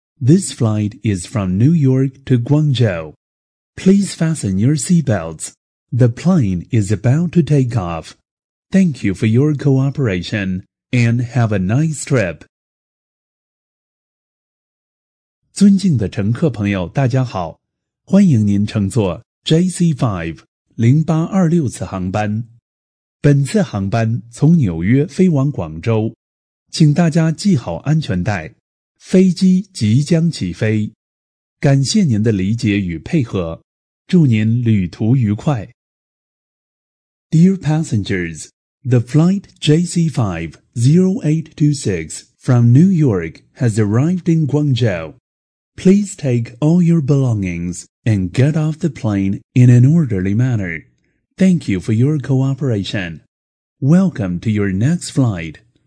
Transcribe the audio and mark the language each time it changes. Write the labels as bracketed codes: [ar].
[en] This flight is from New York to Guangzhou. Please fasten your seatbelts. The plane is about to take off. Thank you for your cooperation and have a nice trip. [zh] 尊敬的乘客朋友，大家好，欢迎您乘坐 JC5-0826 次航班。本次航班从纽约飞往广州，请大家系好安全带，飞机即将起飞。感谢您的理解与配合，祝您旅途愉快。 [en] Dear passengers, the flight JC5-0826 from New York has arrived in Guangzhou. Please take all your belongings and get off the plane in an orderly manner. Thank you for your cooperation. Welcome to your next flight.